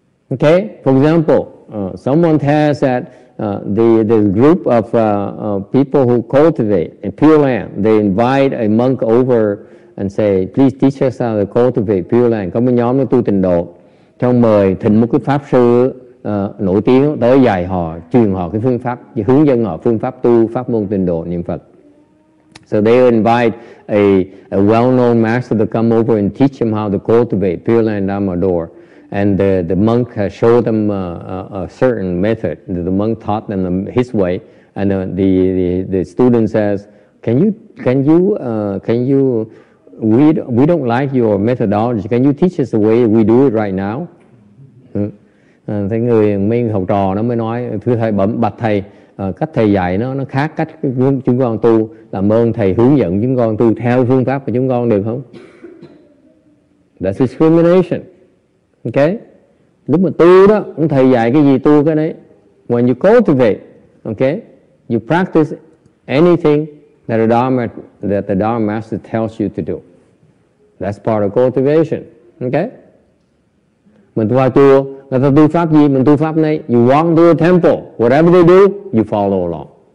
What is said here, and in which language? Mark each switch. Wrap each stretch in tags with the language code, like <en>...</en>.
<en>Okay, for example, someone tells that the group of people who cultivate in Pure Land, they invite a monk over and say, please teach us how to cultivate Pure Land.</en> <vi>Có một nhóm nó tu tịnh độ, cho mời thỉnh một cái pháp sư nổi tiếng tới dạy họ, truyền họ cái phương pháp, hướng dẫn họ phương pháp tu, pháp môn tịnh độ, niệm Phật.</vi> <en>So they invite a well-known master to come over and teach him how to cultivate Pure Land Amador. And the monk showed them a certain method. The monk taught them his way. And the student says, we don't like your methodology. Can you teach us the way we do it right now?</en> <vi>Thế người mình học trò nó mới nói, thưa thầy, bạch thầy, cách thầy dạy nó khác cách chúng con tu, làm ơn thầy hướng dẫn chúng con tu theo phương pháp của chúng con được không?</vi> <en>That's discrimination. Okay?</en> <vi>Lúc mà tu đó, ông thầy dạy cái gì tu cái đấy.</vi> <en>When you cultivate, okay? You practice anything that the Dharma master tells you to do. That's part of cultivation. Okay?</en> <vi>Mình qua tu, người ta tu pháp gì, mình tu pháp này.</vi> <en>You walk to a temple, whatever they do, you follow along.</en>